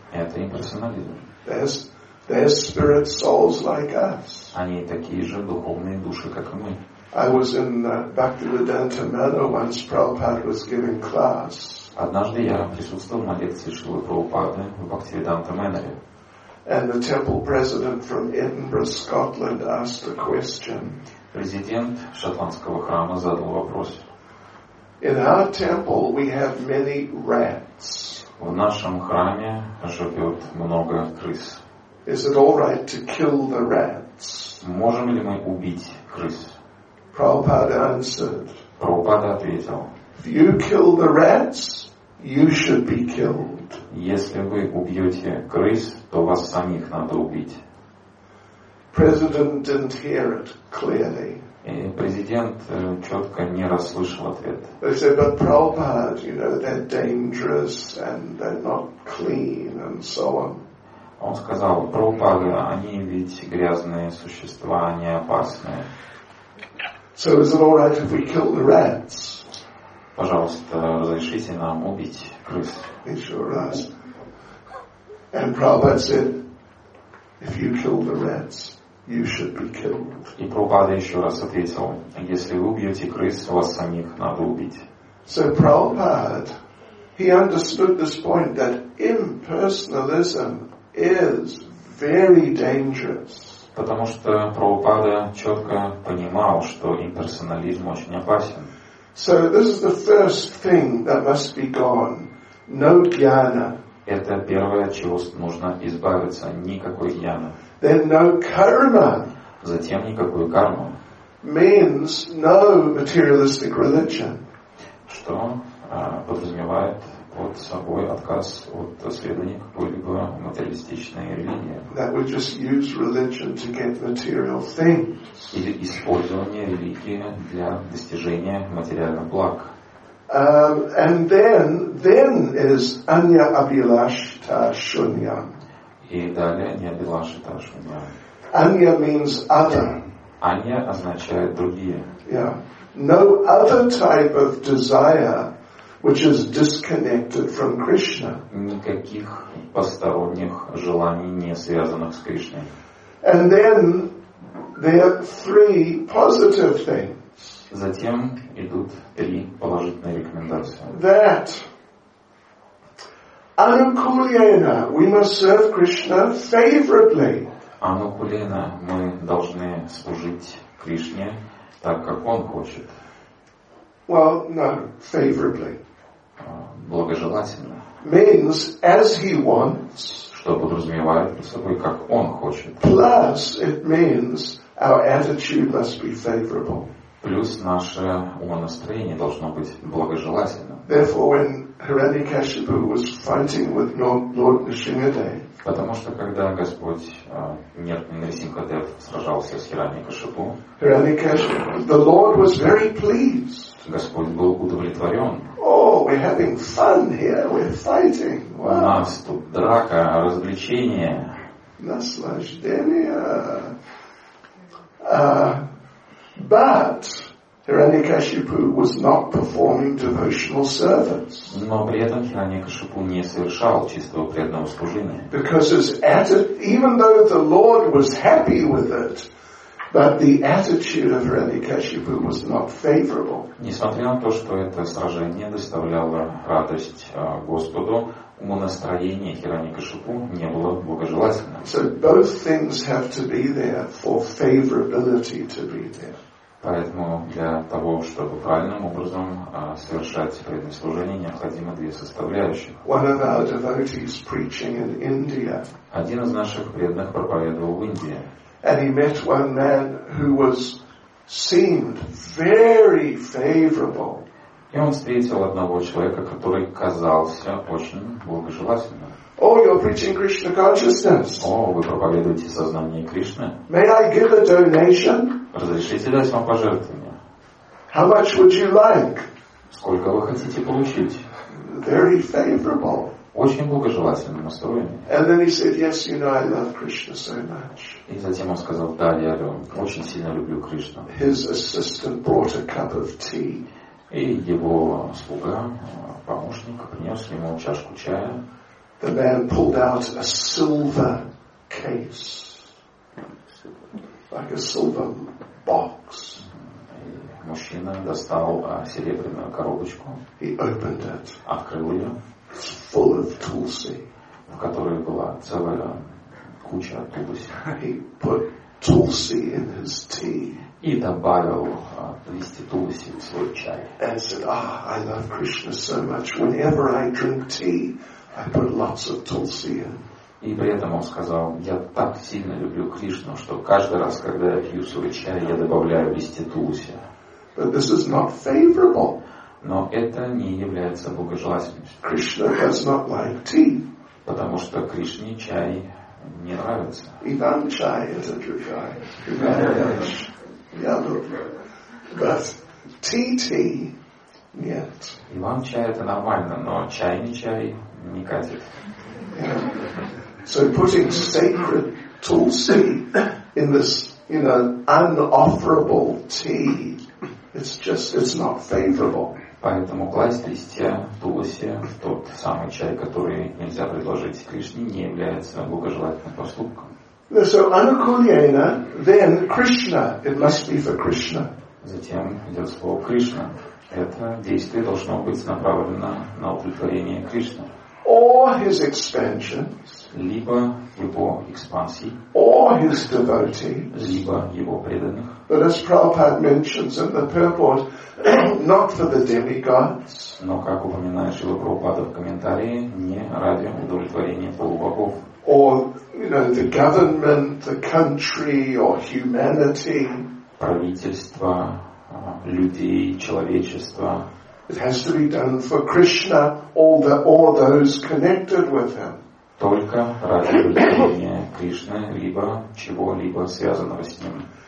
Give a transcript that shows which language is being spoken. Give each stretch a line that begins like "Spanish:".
Russian: Это имперсонализм.
English: They're spirit souls like us.
Russian: Они такие же духовные души, как и мы.
English: I was in Bhaktivedanta Manor once Prabhupada was giving class.
Russian: Однажды я присутствовал на лекции Шрилы Прабхупады в Бхактивиданта Мэноре.
English: And the temple president from Edinburgh, Scotland asked a question.
Russian: Президент шотландского храма задал вопрос.
English: In our temple we have many rats.
Russian: В нашем храме живет много крыс.
English: Is it all right to kill the rats?
Russian: Можем ли мы убить крыс?
English: Prabhupada answered.
Russian: Прабхупада ответил.
English: If you kill the rats, you should be killed.
Russian: Если вы убьете крыс, то вас самих надо убить.
English: President didn't hear it clearly.
Russian: И президент четко не расслышал ответ.
English: They said, but Prabhupada, you know, they're dangerous and they're not clean and so on.
Russian: Он сказал, Прабхупада, они ведь грязные существа, они опасные.
English: So is it all right if we kill the rats?
Russian: Пожалуйста, разрешите нам убить крыс.
English: He sure asked. And Prabhupada said, if you kill the rats, you should be killed.
Russian: И Прабхупада еще раз ответил, если вы убьете крыс, вас самих надо убить.
English: So Prabhupada, he understood this point that impersonalism is very dangerous.
Russian: Потому что Прабхупада четко понимал, что имперсонализм очень опасен.
English: So this is the first thing that must be gone. No jnana.
Russian: Это первое, чего нужно избавиться. Никакой jnana.
English: Then no karma.
Russian: Затем никакую карму.
English: Means no materialistic religion.
Russian: Что подразумевает под собой отказ от следования какой-либо материалистичной религии.
English: That we just use religion to get material things.
Russian: Или использование религии для достижения материальных благ.
English: And then is anya abhilashita shunya.
Russian: И далее anya abhilashita shunya.
English: Anya means other.
Russian: Anya означает другие.
English: Yeah. No other type of desire which is disconnected from Krishna.
Russian: Никаких посторонних желаний, не связанных с Кришной.
English: And then there are three positive things.
Russian: Затем идут три положительные рекомендации.
English: That anukulena, we must serve Krishna favorably.
Russian: Anukulena, мы должны служить Кришне так, как он хочет.
English: Well, no, favorably.
Russian: Благожелательно.
English: Means as he wants.
Russian: Что подразумевает под собой, как он хочет.
English: Plus it means our attitude must be favorable.
Russian: Плюс наше умонастроение должно быть благожелательным.
English: Therefore, when Hiranyakashipu was fighting with Lord Nrisimhadev.
Russian: Потому что когда Господь Нрисимхадев сражался с Хираньякашипу.
English: The Lord was very pleased.
Russian: Господь был удовлетворен.
English: Oh, we're having fun here. We're fighting. Wow.
Russian: У нас тут драка, развлечение. Наслаждение.
English: But Hiranyakashipu was not performing devotional service.
Russian: Но при этом Хираньякашипу не совершал чистого преданного служения.
English: Because his attitude, even though the Lord was happy with it, but the attitude of Hiranyakashipu was not favorable.
Russian: Несмотря на то, что это сражение доставляло радость Господу, настроение Хираньякашипу не было благожелательным.
English: So both things have to be there for favorability to be there.
Russian: Поэтому для того, чтобы правильным образом совершать преданное служение, необходимы две составляющих.
English: One of our devotees preaching in India.
Russian: Один из наших преданных проповедовал в Индии.
English: And he met one man who was seemed very favorable.
Russian: И он встретил одного человека, который казался очень благожелательным.
English: Oh, you're preaching Krishna consciousness.
Russian: О, вы проповедуете сознание Кришны.
English: May I give a donation?
Russian: Разрешите дать вам пожертвование.
English: How much would you like?
Russian: Сколько вы хотите получить?
English: Very favorable.
Russian: Очень благожелательно настроение.
English: And then he said, yes, you know, I love Krishna so much.
Russian: И затем он сказал, да, я очень сильно люблю Кришну.
English: His assistant brought a cup of tea.
Russian: И его слуга, помощник, принес ему чашку чая.
English: The man pulled out a silver case. Like a silver box.
Russian: Мужчина достал серебряную коробочку.
English: He opened it.
Russian: Открыл ее.
English: It's full of tulsi.
Russian: В которой была целая куча тулси.
English: He put tulsi in his tea.
Russian: И добавил листья тулси в свой чай.
English: And said, ah, I love Krishna so much. Whenever I drink tea, I put lots of tulsi in.
Russian: И при этом он сказал, я так сильно люблю Кришну, что каждый раз, когда я пью свой чай, я добавляю листья тулуси.
English: But this is not favorable.
Russian: Но это не является благожелательностью.
English: Krishna does not like tea.
Russian: Потому что Кришне чай не нравится. Иван чай, это другая. Иван чай, нет. Иван чай, это нормально, но чайный чай не катит.
English: So putting sacred tulsi in this, you know, unofferable tea, it's not favorable.
Russian: Поэтому класть листья тулси в тот самый чай, который нельзя предложить Кришне, не является благожелательным поступком.
English: So anukulyena, then Krishna, it must be for Krishna.
Russian: Затем идет слово Кришна. Это действие должно быть направлено на удовлетворение Кришны.
English: Or his expansions.
Russian: Либо его экспансии.
English: Or his devotees.
Russian: Либо его преданных.
English: But as Prabhupada mentions in the purport, not for the demigods.
Russian: Но как упоминает Шрила Прабхупада в комментарии, не ради удовлетворения полубогов.
English: Or, you know, the government, the country, or humanity.
Russian: Правительство, людей, человечество.
English: It has to be done for Krishna, all those connected with him.
Russian: Только ради удовлетворения Кришны, либо чего-либо связанного с ним.